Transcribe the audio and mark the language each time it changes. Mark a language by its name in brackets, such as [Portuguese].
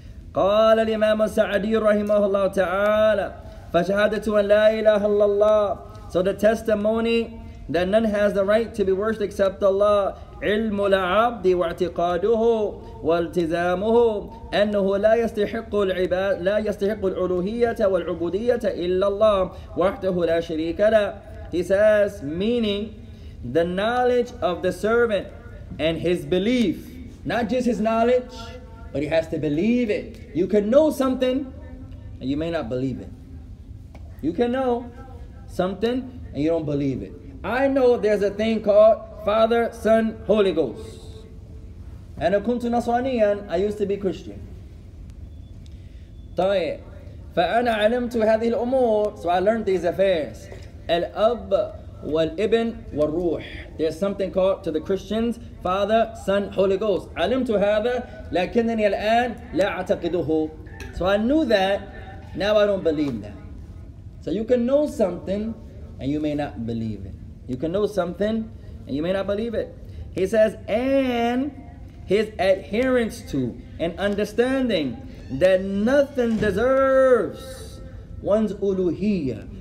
[Arabic] قال الإمام السعدي رحمه الله تعالى فشهادة أن لا إله إلا الله. [English] So the testimony that none has the right to be worshipped except Allah. [Arabic] علم العبد واعتقاده والتزامه أنه لا يستحق العباد لا يستحق العلوهية والعبودية إلا الله وحده لا شريك له. [English] He says, meaning the knowledge of the servant and his belief, not just his knowledge, but he has to believe it. You can know something and you may not believe it. You can know something and you don't believe it. I know there's a thing called Father, Son, Holy Ghost. [Arabic] أنا كنت نصرانياً, [English] I used to be Christian. طيب, [Arabic] فأنا علمت هذه الأمور, [English] so I learned these affairs. [Arabic] الأب والابن والروح. [English] There's something called to the Christians, Father, Son, Holy Ghost. [Arabic] علمت هذا, لكنني الآن لا أعتقده. [English] So I knew that, now I don't believe that. So you can know something and you may not believe it. You can know something and you may not believe it. He says, and his adherence to and understanding that nothing deserves one's uluhiyya.